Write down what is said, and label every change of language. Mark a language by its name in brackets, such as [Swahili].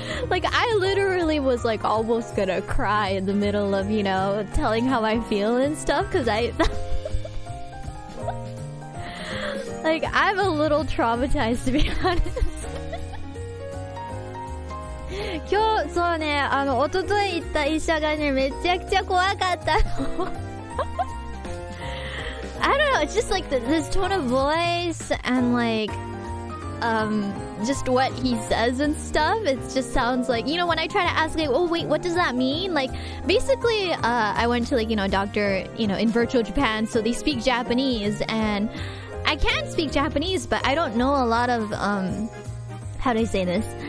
[English] Like, I literally was like almost gonna cry in the middle of, you know, telling how I feel and stuff, cause I like, I'm a little traumatized, to be honest. [Japanese] 今日、そうね、あの、おととい行った医者がね、めちゃくちゃ怖かったの。 [English] I don't know, it's just like this tone of voice and like, just what he says and stuff. It just sounds like, you know, when I try to ask, like, oh, wait, what does that mean? Like, basically, I went to, like, you know, a doctor, you know, in virtual Japan, so they speak Japanese and I can speak Japanese, but I don't know a lot of, how do I say this?